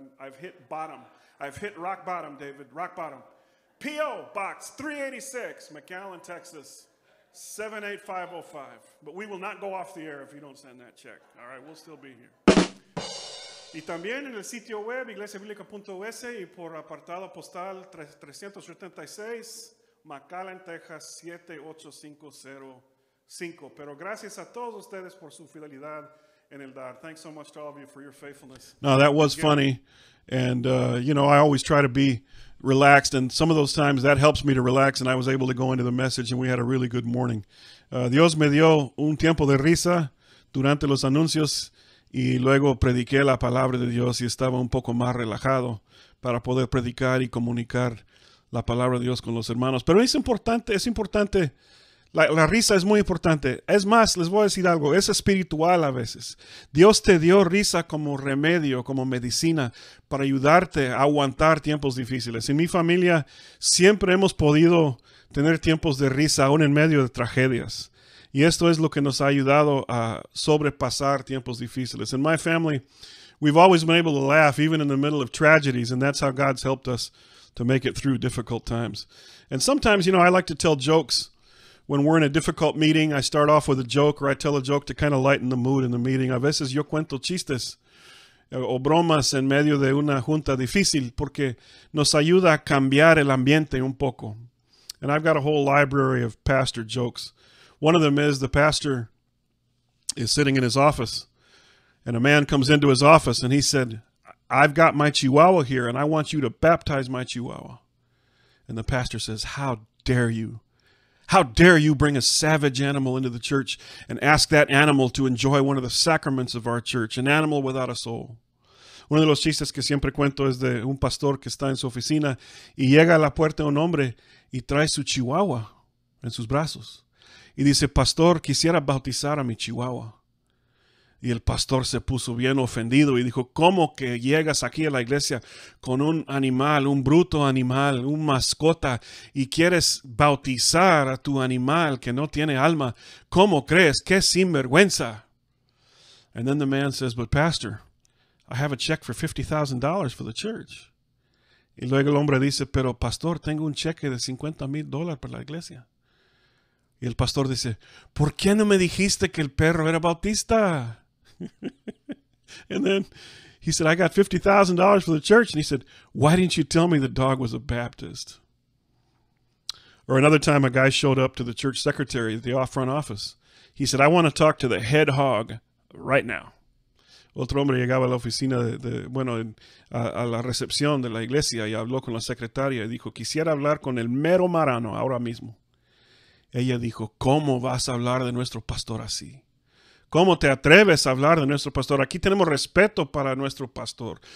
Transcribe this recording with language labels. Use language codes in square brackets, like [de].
[en] I've hit bottom. I've hit rock bottom, David, rock bottom. P.O. Box 386, McAllen, Texas, 78505. But we will not go off the air if you don't send that check. All right, we'll still be here. [es] Y también en el sitio web iglesiabiblica.us y por apartado postal 376, McAllen, Texas 78505. Pero gracias a todos ustedes por su fidelidad en el dar. [en] Thanks so much to all of you for your faithfulness. No, that was funny. And, you know, I always try to be relaxed. And some of those times that helps me to relax. And I was able to go into the message and we had a really good morning. [es] Dios me dio un tiempo de risa durante los anuncios. Y luego prediqué la palabra de Dios y estaba un poco más relajado para poder predicar y comunicar la palabra de Dios con los hermanos. Pero es importante, la risa es muy importante. Es más, les voy a decir algo, es espiritual a veces. Dios te dio risa como remedio, como medicina para ayudarte a aguantar tiempos difíciles. En mi familia siempre hemos podido tener tiempos de risa aún en medio de tragedias. Y esto es lo que nos ha ayudado a sobrepasar tiempos difíciles. [en] In my family, we've always been able to laugh, even in the middle of tragedies, and that's how God's helped us to make it through difficult times. And sometimes, you know, I like to tell jokes. When we're in a difficult meeting, I start off with a joke, or I tell a joke to kind of lighten the mood in the meeting. [es] A veces yo cuento chistes o bromas en medio de una junta difícil, porque nos ayuda a cambiar el ambiente un poco. [en] And I've got a whole library of pastor jokes. One of them is the pastor is sitting in his office and a man comes into his office and he said, I've got my chihuahua here and I want you to baptize my chihuahua. And the pastor says, how dare you? How dare you bring a savage animal into the church and ask that animal to enjoy one of the sacraments of our church, an animal without a soul. [es] Uno de los chistes que siempre cuento es de un pastor que está en su oficina y llega a la puerta un hombre y trae su chihuahua en sus brazos. Y dice, pastor, quisiera bautizar a mi chihuahua. Y el pastor se puso bien ofendido y dijo, ¿cómo que llegas aquí a la iglesia con un animal, un bruto animal, un mascota, y quieres bautizar a tu animal que no tiene alma? ¿Cómo crees? ¡Qué sinvergüenza! [en] And then the man says, but pastor, I have a check for $50,000 for the church. [es] Y luego el hombre dice, pero pastor, tengo un cheque de $50,000 para la iglesia. Y el pastor dice, ¿por qué no me dijiste que el perro era bautista? [en] And then he said, I got $50,000 for the church. And he said, why didn't you tell me the dog was a Baptist? Or another time a guy showed up to the church secretary at the front office. He said, I want to talk to the head hog right now. [es] Otro hombre llegaba a la oficina, a la recepción de la iglesia y habló con la secretaria y dijo, quisiera hablar con el mero marrano ahora mismo. Ella dijo, ¿cómo vas a hablar de nuestro pastor así? ¿Cómo te atreves a hablar de nuestro pastor? Aquí tenemos respeto para nuestro pastor.